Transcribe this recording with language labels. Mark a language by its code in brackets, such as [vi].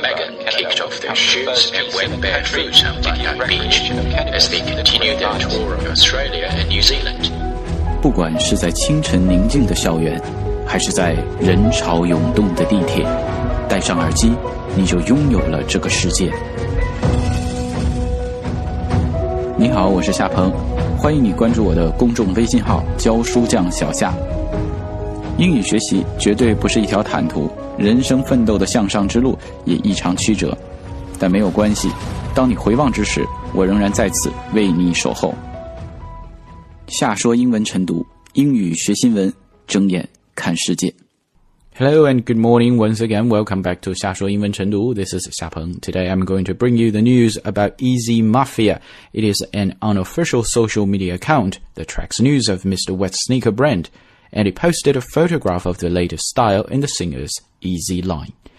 [en] Megan kicked off their shoots and went barefoot on Bondi Beach as they continued their tour of Australia and New Zealand. [zh] 不管是在清晨宁静的校园，还是在人潮涌动的地铁，戴上耳机，你就拥有了这个世界。你好，我是夏鹏，欢迎你关注我的公众微信号教书匠小夏。英语学习绝对不是一条坦途，人生奋斗的向上之路也异常曲折，但没有关系，当你回望之时，我仍然在此为你守候。夏说英文晨读，英语学新闻，睁眼看世界。 [en] Hello and good morning once again. Welcome back to 夏说英文晨读.This is 夏鹏. Today I'm going to bring you the news about Easy Mafia. It is an unofficial social media account that tracks news of Mr. West's sneaker brand, and it posted a photograph of the latest style in the singer's Easy Line.